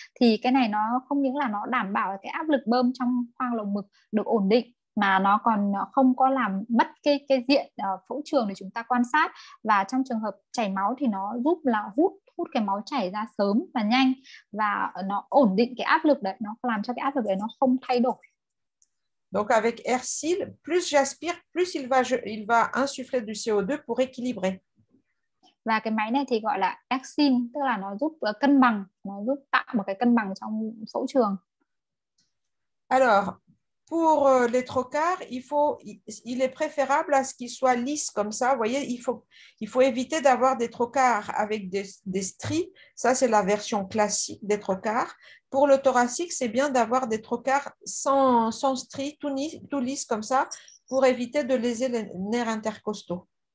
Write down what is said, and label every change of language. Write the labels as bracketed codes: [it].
[vi] Thì cái này nó không những là nó đảm bảo cái áp lực bơm trong khoang lồng ngực được ổn định, mà nó còn không có làm mất cái diện phẫu trường để chúng ta quan sát, và trong trường hợp chảy máu thì nó giúp là hút hút cái máu chảy ra sớm và nhanh, và nó ổn định cái áp lực đấy, nó làm cho cái áp lực đấy nó không thay đổi. [fr] Donc avec AirSeal, plus j'aspire, plus il va insuffler du CO2 pour équilibrer. [vi] Và cái máy này thì gọi là Exim, tức là nó giúp cân bằng, nó giúp tạo một cái cân bằng trong phẫu trường. [fr] Alors, pour les trocars, il est préférable à ce qu'ils soient lisses comme ça. Vous voyez, il faut éviter d'avoir des trocars avec des stries. Ça, c'est la version classique des trocars. Pour le thoracique, c'est bien d'avoir des trocars sans stries, tout lisse comme ça, pour éviter de léser les nerfs intercostaux.